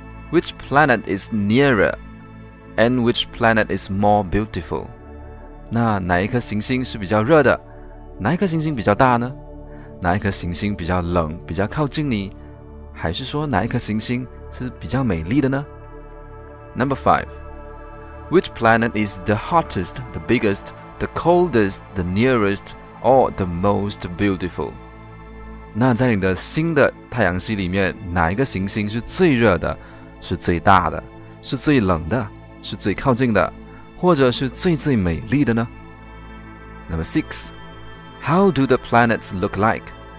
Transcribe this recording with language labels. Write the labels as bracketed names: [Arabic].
[English] Which planet is nearer? And which planet is more beautiful? [Chinese] 那哪一颗行星是比较热的？哪一颗行星比较大呢？哪一颗行星比较冷，比较靠近你？还是说哪一颗行星是比较美丽的呢？ [English] Number 5. Which planet is the hottest, the biggest, the coldest, the nearest, or the most beautiful? [Chinese] 那在你的新的太阳系里面，哪一个行星是最热的，是最大的，是最冷的，是最靠近的，或者是最最美丽的呢？ [English] Number 6. How do the planets look like?